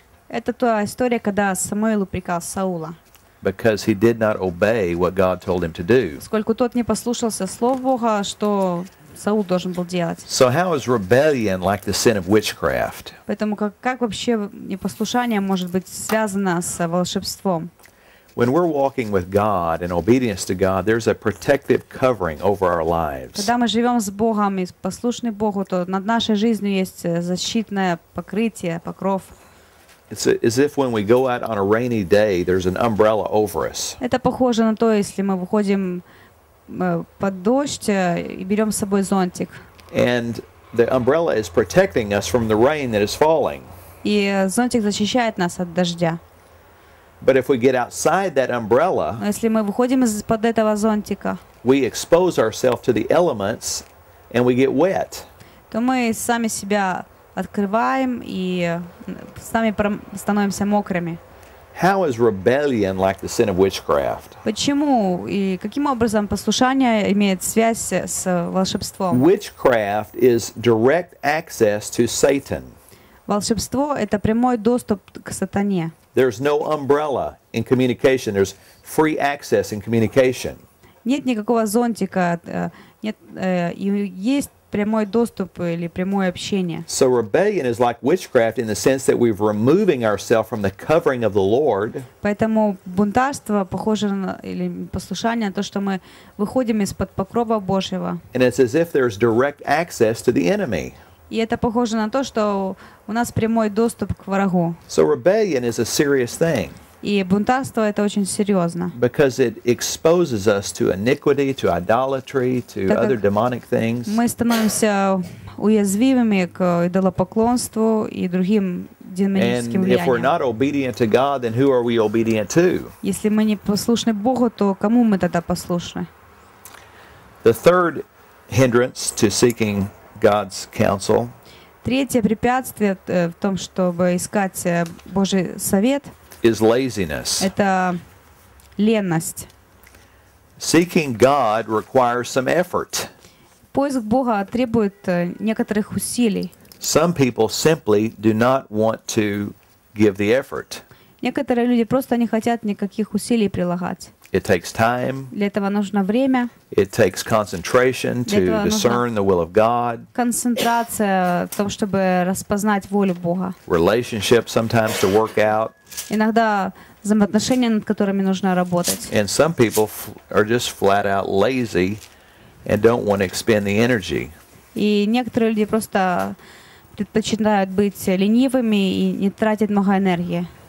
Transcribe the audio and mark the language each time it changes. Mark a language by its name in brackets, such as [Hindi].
[Russian] Это та история, когда Самуил упрекал Саула. [English] Because he did not obey what God told him to do. [Russian] Сколько тот не послушался слов Бога, что Саул должен был делать. [English] So how is rebellion like the sin of witchcraft? [Russian] Поэтому как вообще непослушание может быть связано с волшебством? [English] When we're walking with God in obedience to God, there's a protective covering over our lives. [Russian] Когда мы живем с Богом и послушны Богу, то над нашей жизнью есть защитное покрытие, покров. [English] It's as if when we go out on a rainy day, there's an umbrella over us. [Russian] Это похоже на то, если мы выходим под дождь и берем с собой зонтик. [English] And the umbrella is protecting us from the rain that is falling. [Russian] И зонтик защищает нас от дождя. [English] But if we get outside that umbrella, [Russian] если мы выходим из-под этого зонтика, [English] we expose ourselves to the elements and we get wet. [Russian] То мы сами себя открываем и сами становимся мокрыми. [English] How is rebellion like the sin of witchcraft? [Russian] Почему и каким образом послушание имеет связь с волшебством? [English] Witchcraft is direct access to Satan. [Russian] Волшебство – это прямой доступ к сатане. [English] There's no umbrella in communication. There's free access in communication. [Russian] Нет никакого зонтика. Нет, есть прямой доступ или прямое общение. [English] So rebellion is like witchcraft in the sense that we're removing ourselves from the covering of the Lord. [Russian] Поэтому бунтарство похоже на или послушание на то, что мы выходим из-под покрова Божьего. [English] And it's as if there's direct access to the enemy. [Russian] И это похоже на то, что у нас прямой доступ к врагу. [English] So rebellion is a serious thing. [Russian] И бунтарство это очень серьезно. [English] Because it exposes us to iniquity, to idolatry, to other demonic things. [Russian] Мы становимся уязвимыми к идолопоклонству и другим демоническим влияниям. [English] And if we're not obedient to God, then who are we obedient to? [Russian] Если мы не послушны Богу, то кому мы тогда послушны? [English] The third hindrance to seeking God's counsel. [Russian] Третье препятствие в том, чтобы искать Божий совет, [English] is laziness. [Russian] Это леность. [English] Seeking God requires some effort. [Russian] Поиск Бога требует некоторых усилий. [English] Some people simply do not want to give the effort. [Russian] Некоторые люди просто не хотят никаких усилий прилагать. [English] It takes time. [Russian] Для этого нужно время. [English] It takes concentration to discern the will of God. [Russian] Концентрация в том, чтобы распознать волю Бога. [English] Relationships sometimes to work out. [Russian] Иногда взаимоотношения, над которыми нужно работать. [English] And some people are just flat out lazy and don't want to expend the energy. [Russian] И некоторые люди просто предпочитают быть ленивыми и не тратить много энергии.